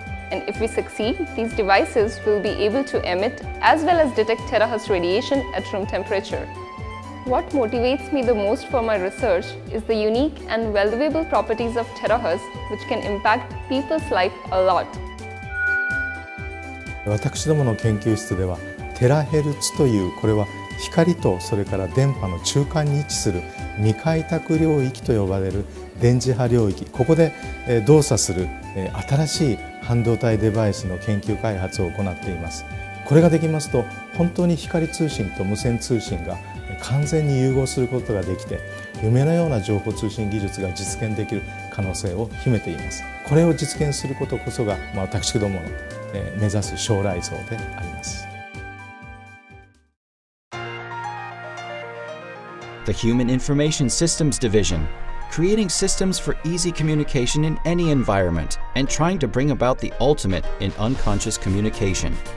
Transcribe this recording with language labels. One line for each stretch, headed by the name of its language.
English: And if we succeed, these devices will be able to emit as well as detect terahertz radiation at room temperature. What motivates me the most for my research is the unique and valuable properties of terahertz, which can impact people's life a lot.
Japanese: 私どもの研究室では、テラヘルツという、これは光とそれから電波の中間に位置する未開拓領域と呼ばれる電磁波領域、ここで動作する新しい半導体デバイスの研究開発を行っています。これができますと、本当に光通信と無線通信が完全に融合することができて、夢のような情報通信技術が実現できる可能性を秘めています。これを実現することこそが、私どもの目指す将来像であります。
English: The Human Information Systems Division, creating systems for easy communication in any environment and trying to bring about the ultimate in unconscious communication.